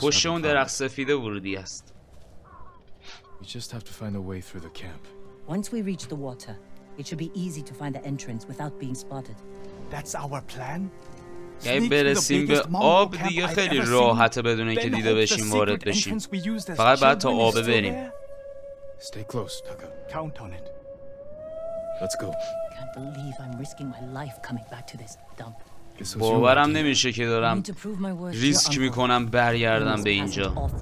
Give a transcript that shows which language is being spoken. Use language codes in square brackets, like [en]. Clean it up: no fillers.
[fa] پشت اون درخت سفید ورودی است. [en] We just have to find a way through the camp. Once we reach the water, it should be easy to find the entrance without being spotted. That's our plan. [fa] یعنی برسیم به آب دیگه خیلی راحته بدون اینکه دیده بشیم وارد بشیم. فقط بعد تا آب بریم. [en] Stay close, Tucker. Count on it. Let's go. Can't believe I'm risking my life coming back to this dump. [fa] باورم نمیشه که دارم ریسک میکنم برگردم به اینجا.